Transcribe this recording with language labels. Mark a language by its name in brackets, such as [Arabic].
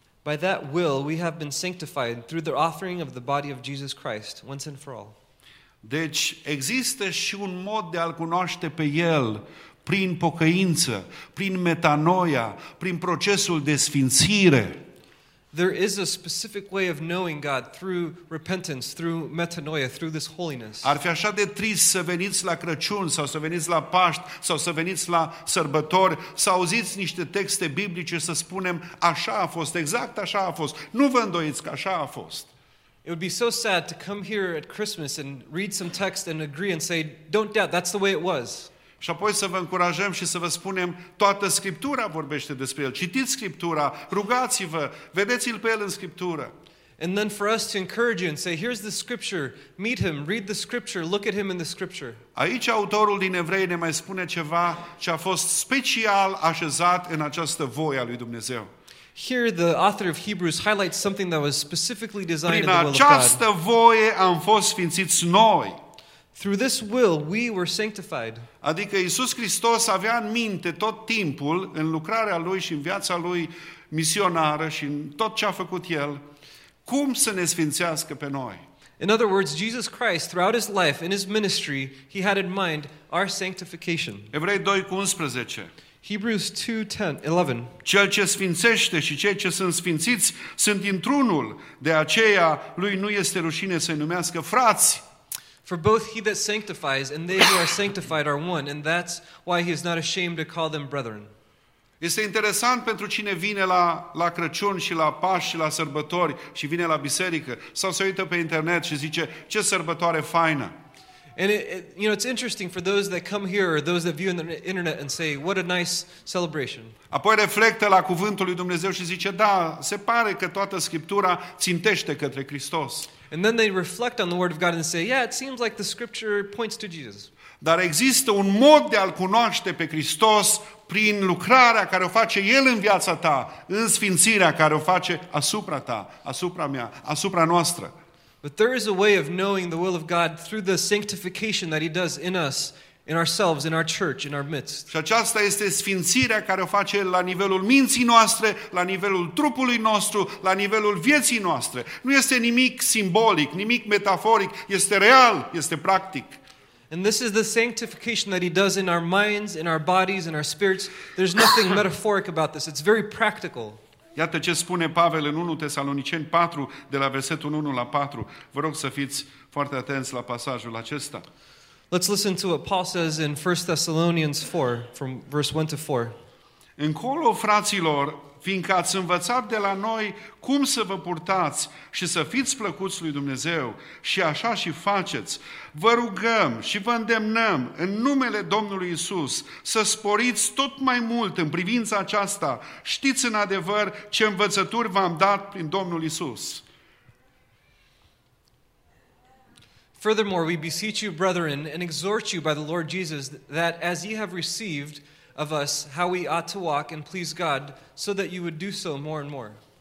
[English] By that will we have been sanctified through the offering of the body of Jesus Christ once and for all. [Romanian] Deci există și un mod de a-L cunoaște pe El prin pocăință, prin metanoia, prin procesul de sfințire. [English] There is a specific way of knowing God through repentance, through metanoia, through this holiness. [Romanian] Ar fi așa de trist să veniți la Crăciun sau să veniți la Paști sau să veniți la sărbători, să auziți niște texte biblice să spunem așa a fost, exact așa a fost. Nu vă îndoiți că așa a fost. [English] It would be so sad to come here at Christmas and read some text and agree and say, don't doubt, that's the way it was. [Romanian] Și apoi să vă încurajăm și să vă spunem, toată Scriptura vorbește despre El. Citiți Scriptura, rugați-vă, vedeți-L pe El în Scriptură. [English] And then for us to encourage you and say, here's the Scripture, meet Him, read the Scripture, look at Him in the Scripture. [Romanian] Aici autorul din Evrei ne mai spune ceva ce a fost special așezat în această voie a lui Dumnezeu. [English] Here the author of Hebrews highlights something that was specifically designed in the will of God. [Romanian] Prin această voie am fost sfințiți noi. [English] Through this will we were sanctified. [Romanian] Adică Iisus Hristos avea în minte tot timpul în lucrarea lui și în viața lui misionară și în tot ce a făcut el, cum să ne sfințească pe noi. [English] In other words, Jesus Christ throughout his life in his ministry, he had in mind our sanctification. [Romanian] Evrei 2:11. [English] Hebrews 2:10-11. [Romanian] Cel ce sfințește și cei ce sunt sfințiți sunt într-unul, de aceea lui nu este rușine să-i numească frați. [English] For both he that sanctifies and they who are sanctified are one, and that's why he is not ashamed to call them brethren. [Romanian] Este interesant pentru cine vine la Crăciun și la Paști și la sărbători și vine la biserică sau se uită pe internet și zice ce sărbătoare faină. [English] And it's interesting for those that come here or those that view on the internet and say, what a nice celebration. [Romanian] Apoi reflectă la cuvântul lui Dumnezeu și zice, da, se pare că toată Scriptura țintește către Hristos. [English] And then they reflect on the word of God and say, yeah, it seems like the scripture points to Jesus. [Romanian] Dar există un mod de a-L cunoaște pe Hristos prin lucrarea care o face El în viața ta, în sfințirea care o face asupra ta, asupra mea, asupra noastră. [English] But there is a way of knowing the will of God through the sanctification that He does in us, in ourselves, in our church, in our midst. [Romanian] Și aceasta este sfințirea care o face la nivelul minții noastre, la nivelul trupului nostru, la nivelul vieții noastre. Nu este nimic simbolic, nimic metaforic, este real, este practic. [English] And this is the sanctification that He does in our minds, in our bodies, in our spirits. There's nothing metaphoric about this. It's very practical. [Romanian] Iată ce spune Pavel în 1 Tesaloniceni 4, de la versetul 1 la 4. Vă rog să fiți foarte atenți la pasajul acesta. [English] Let's listen to what Paul says in 1 Thessalonians 4, from verse 1 to 4. [Romanian] Încolo, fraților, fiindcă ați învățat de la noi cum să vă purtați și să fiți plăcuți lui Dumnezeu și așa și faceți, vă rugăm și vă îndemnăm în numele Domnului Iisus să sporiți tot mai mult în privința aceasta. Știți în adevăr ce învățături v-am dat prin Domnul Iisus. [English] Furthermore, we beseech you, brethren, and exhort you by the Lord Jesus that as ye have received of us how we ought to walk and please God, so that you would do so more and more.